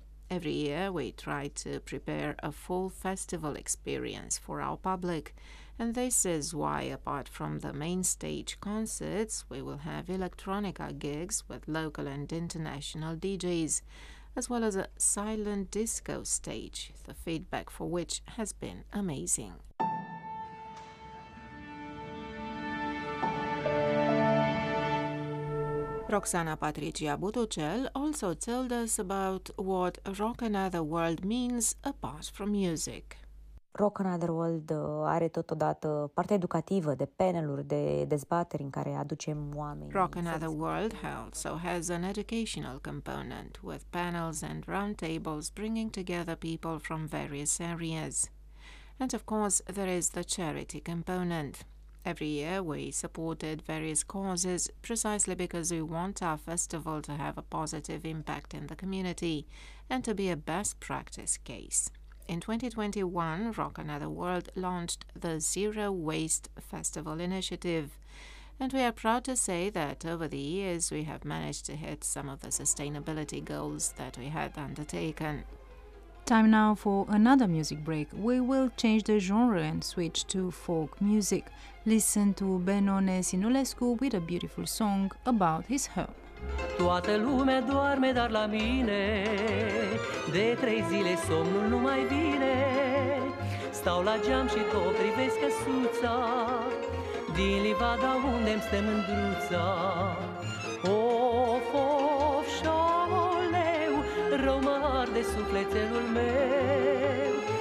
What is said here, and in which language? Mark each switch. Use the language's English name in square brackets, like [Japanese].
[English] Every year we try to prepare a full festival experience for our public, and this is why, apart from the main stage concerts, we will have electronica gigs with local and international DJs, as well as a silent disco stage, the feedback for which has been amazing. Roxana Patricia Butucel also told us about what Rock Another World means apart from music. [Romanian] Rock Another World are totodată parte educativă de paneluri de dezbateri în care aducem oameni. [English] Rock Another World also has an educational component with panels and roundtables bringing together people from various areas. And of course, there is the charity component. Every year we supported various causes precisely because we want our festival to have a positive impact in the community and to be a best practice case. In 2021, Rock Another World launched the Zero Waste Festival Initiative, and we are proud to say that over the years we have managed to hit some of the sustainability goals that we had undertaken. Time now for another music break. We will change the genre and switch to folk music. Listen to Benone Sinulescu with a beautiful song about his home. [Romanian] Toată lumea doarme, dar la mine de trei zile somnul nu mai vine. Stau la geam și tot privesc căsuța din livada unde-mi stă mândruța. Of, of, șoleu, rău mă arde sufletelul meu.